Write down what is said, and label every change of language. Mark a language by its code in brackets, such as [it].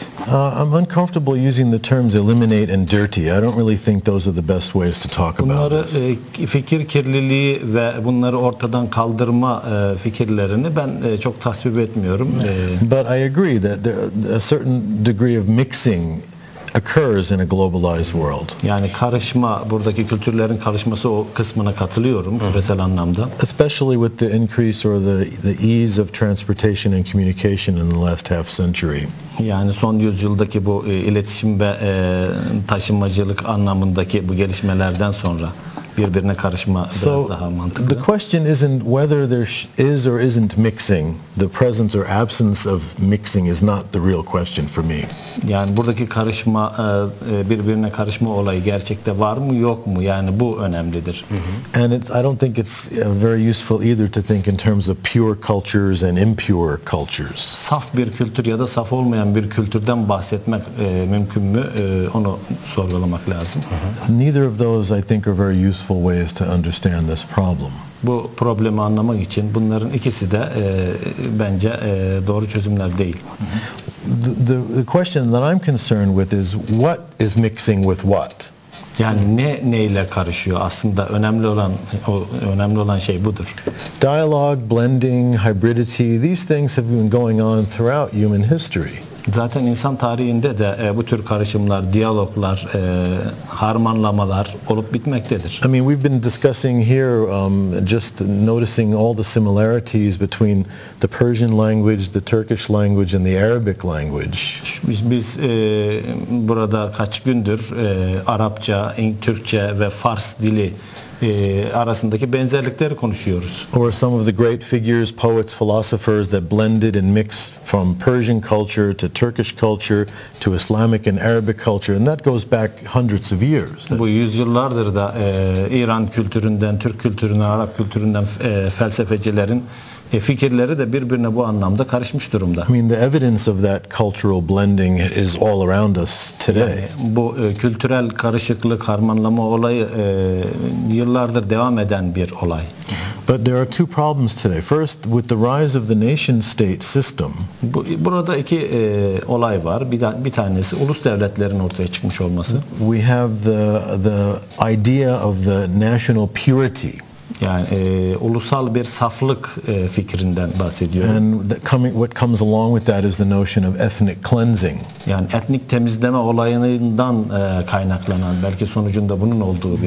[en] I'm uncomfortable using the terms eliminate and dirty. I don't really think those are the best ways to talk [tr] bunları, [en] about this. [tr] Fikir kirliliği ve bunları ortadan kaldırma fikirlerini ben çok tasvip etmiyorum. [en] But I agree that there a certain degree of mixing occurs in a globalized world. [tr] Yani karışma, buradaki kültürlerin karışması o kısmına katılıyorum küresel anlamda. [en] Especially with the increase or the ease of transportation and communication in the last half century. [tr] Yani son yüzyıldaki bu iletişim ve taşımacılık anlamındaki bu gelişmelerden sonra birbirine karışma [en] so [tr] biraz daha mantıklı. [en] The question isn't whether there is or isn't mixing. The presence or absence of mixing is not the real question for me. [tr] Yani buradaki karışma, birbirine karışma olayı gerçekte var mı yok mu? Yani bu önemlidir. Mm-hmm. [en] And I don't think it's very useful either to think in terms of pure cultures and impure cultures. [tr] Saf bir kültür ya da saf olmayan bir kültürden bahsetmek mümkün mü? Onu sorgulamak lazım. Mm-hmm. [en] Neither of those I think are very useful ways to understand this problem. [tr] Bu problemi anlamak için bunların ikisi de bence doğru çözümler değil. [en] The question that I'm concerned with is what is mixing with what? [tr] Yani ne neyle karışıyor? Aslında önemli olan şey budur. [en] Dialogue, blending, hybridity, these things have been going on throughout human history. [tr] Zaten insan tarihinde de bu tür karışımlar, diyaloglar, harmanlamalar olup bitmektedir. [en] I mean, we've been discussing here, just noticing all the similarities between the Persian language, the Turkish language, and the Arabic language. [tr] Biz burada kaç gündür Arapça, Türkçe ve Fars dili arasındaki benzerlikleri konuşuyoruz. [en] Or some of the great figures, poets, philosophers that blended and mixed from Persian culture to Turkish culture to Islamic and Arabic culture, and that goes back hundreds of years. [tr] Bu yüzyıllardır da İran kültüründen, Türk kültüründen, Arap kültüründen felsefecilerin fikirleri de birbirine bu anlamda karışmış durumda. [en] I mean, the evidence of that cultural blending is all around us today. [tr] Yani bu kültürel karışıklık, harmanlama olayı yıllardır devam eden bir olay. [en] But there are two problems today. First, with the rise of the nation-state system. [tr] Burada iki olay var. Bir tanesi ulus devletlerin ortaya çıkmış olması. [en] We have the idea of the national purity. [tr] Yani ulusal bir saflık fikrinden bahsediyor. [en] And what comes along with that is the notion of ethnic cleansing. [tr] Yani etnik temizleme olayından kaynaklanan, belki sonucunda bunun olduğu bir